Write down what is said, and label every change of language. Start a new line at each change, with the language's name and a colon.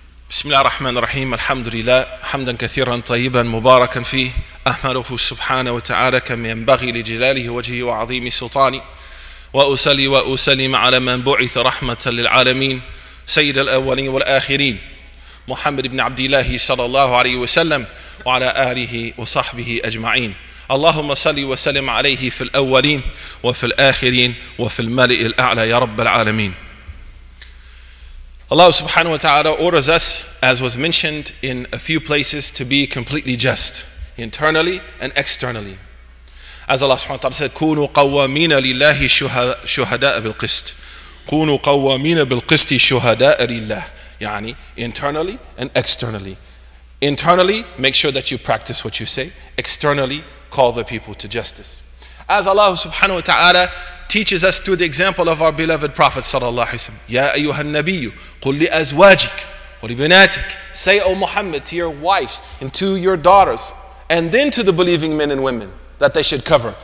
Arabic: بسم الله الرحمن الرحيم الحمد لله حمدا كثيرا طيبا مباركا فيه أحمده سبحانه وتعالى كم ينبغي لجلاله وجهه وعظيم سلطانه وأسلي وأسلم على من بعث رحمة للعالمين سيد الأولين والآخرين محمد بن عبد الله صلى الله عليه وسلم وعلى آله وصحبه أجمعين اللهم صل وسلم عليه في الأولين وفي الآخرين وفي الملأ الأعلى يا رب العالمين.
English: Allah subhanahu wa ta'ala orders us, as was mentioned in a few places, to be completely just, internally and externally. As Allah subhanahu wa ta'ala said,
Arabic: كُونُوا قَوَّامِينَ لِلَّهِ شُهَدَاءَ بِالْقِسْتِ كُونُوا قَوَّامِينَ بِالْقِسْتِ شُهَدَاءَ لِلَّهِ يعني
English: internally and externally. Internally, make sure that you practice what you say. Externally, call the people to justice. As Allah subhanahu wa ta'ala teaches us through the example of our beloved Prophet sallallahu alaihi wasallam.
Arabic: Ya ayyuhan nabiyyu qul li azwajik wa li binatik.
English: Say, O Muhammad, to your wives and to your daughters and then to the believing men and women that they should cover.